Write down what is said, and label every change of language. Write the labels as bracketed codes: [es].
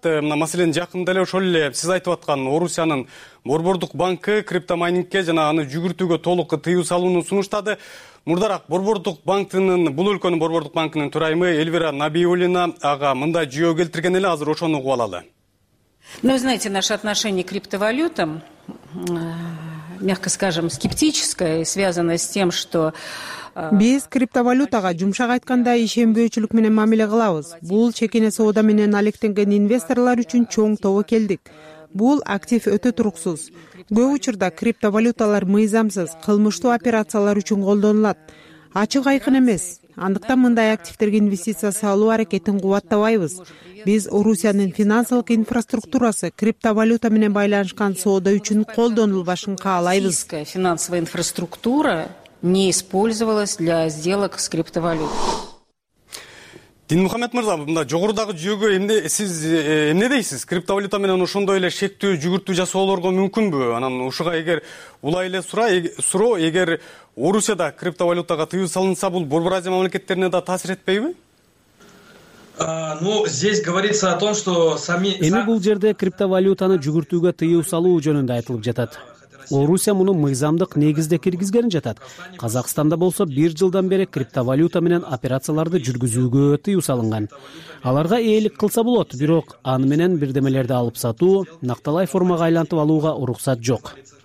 [ky] Мына маселен жакында эле ошол эле сиз айтып аткан Орусиянын борбордук банкы криптомайнингке жана аны жүгүртүүгө толук тыюу салууну сунуштады. Мурдараак борбордук банктын бул өлкөнүн борбордук банкынын төрайымы Эльвира Набиуллина ага мындай жүйө келтирген эле, азыр ошону угуп алалы. [ru] Ну, вы знаете, наше отношение к криптовалютам, мягко скажем, скептическое, связанное с тем, что [ky] биз криптовалютага жумшак айтканда ишенбөөчүлүк менен мамиле кылабыз. Бул чекене соода менен алектенген инвесторлор үчүн чоң тобокелдик. Бул актив өтө туруксуз. Көп учурда криптовалюталар мыйзамсыз, кылмыштуу операциялар үчүн колдонулат. Ачык айкын эмес. Андыктан мындай активтерге инвестиция салуу аракетин кубаттабайбыз. Биз Орусиянын финансылык инфраструктурасы криптовалюта менен байланышкан соода үчүн колдонулбашын каалайбыз. [ru] Финансовая инфраструктура не использовалась для сделок с криптовалютой. [ky] Динмухаммед мырза, мында жогорудагы жүйөгө эмне дейсиз? Криптовалюта менен ошондой эле шектүү жүгүртүү жасоолорго мүмкүнбү? Анан ушуга эгер улай эле суроо, эгер Орусияда криптовалютага тыюу салынса, бул Борбор Азия мамлекеттерине да таасир этпейби? [ru] Ну, здесь говорится о том, что сами [ky] эми бул жерде криптовалютаны жүгүртүүгө тыюу салуу жөнүндө айтылып жатат. Орусия муну мыйзамдык негизде киргизген жатат. Казакстанда болсо бир жылдан бери криптовалюта менен операцияларды жүргүзүүгө тыюу салынган. Аларга ээлик кылса болот, бирок аны менен бирдемелерди алып сатуу, накталай формага айлантып алууга уруксат жок.